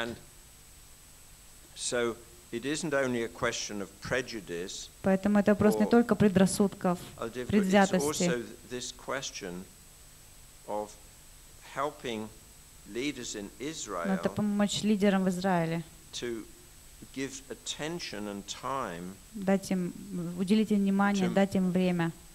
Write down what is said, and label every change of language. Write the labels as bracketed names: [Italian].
[English] And so it isn't only a question of prejudice. [Russian] Поэтому это вопрос не только предрассудков, предвзятости. [English] It's also this question of helping leaders in Israel. [Russian] Это помочь лидерам в Израиле. [English] To give attention and time. [Russian] Дать им уделить внимание, дать им время.